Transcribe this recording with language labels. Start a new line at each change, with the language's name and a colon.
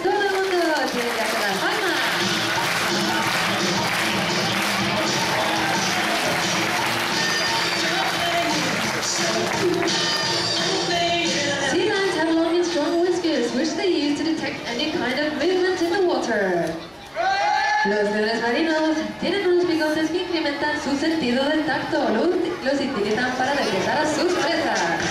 Spanish: Todo el mundo tiene que hacer la palma.
English: Sea lions have long and strong whiskers, which they use to detect any kind of movement in the water.
Spanish: Los leones marinos tienen unos bigotes que incrementan su sentido del tacto. Los utilizan para detectar a sus presas.